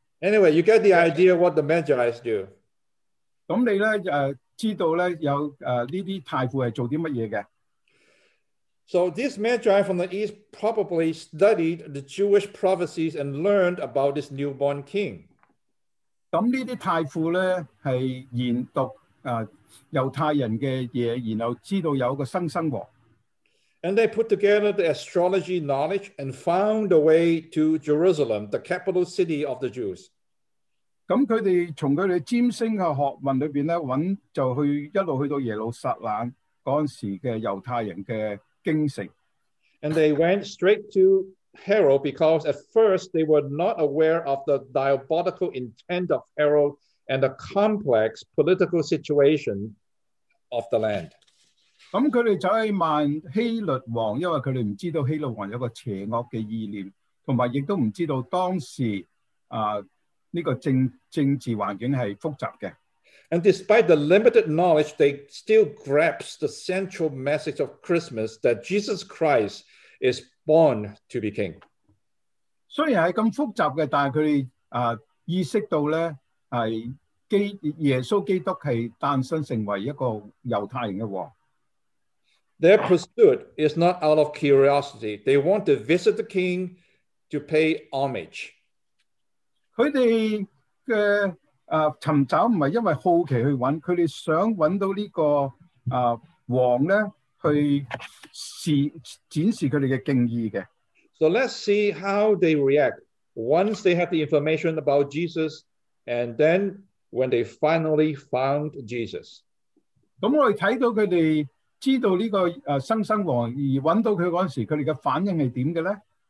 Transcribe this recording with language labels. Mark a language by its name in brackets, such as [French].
[English] Anyway, you get the idea what the Magi do. [Cantonese] 咁你咧知道咧有呢啲太傅係做啲乜嘢嘅 [English] ？So these Magi from the East probably studied the Jewish prophecies and learned about this newborn king. [Cantonese] 咁呢啲太傅咧係研讀猶太人嘅嘢，然後知道有個新生王。 [English] And they put together the astrology knowledge and found a way to Jerusalem, the capital city of the Jews. [Cantonese] 咁佢哋从佢哋占星嘅学问里边咧，揾就去一路去到耶路撒冷嗰阵时嘅犹太人嘅京城。 [English] And they went straight to Herod because at first they were not aware of the diabolical intent of Herod and the complex political situation of the land. [Cantonese] 咁佢哋走去问希律王，因为佢哋唔知道希律王有个邪恶嘅意念，同埋亦都唔知道当时这个政治环境系复杂嘅。 [English] And despite the limited knowledge, they still grasp the central message of Christmas that Jesus Christ is born to be king. [Cantonese] 虽然系咁复杂嘅，但系佢哋意识到咧系耶稣基督系诞生成为一个犹太人嘅王。 [English] Their pursuit is not out of curiosity. They want to visit the king to pay homage. [Cantonese] 佢哋嘅寻找唔系因为好奇去揾，佢哋想揾到呢个王咧，去展示佢哋嘅敬意嘅。 [English] So let's see how they react once they have the information about Jesus, and then when they finally found Jesus. [Cantonese] 咁我哋睇到佢哋。知道呢个新生王而揾到佢嗰阵时，佢哋嘅反应系点嘅咧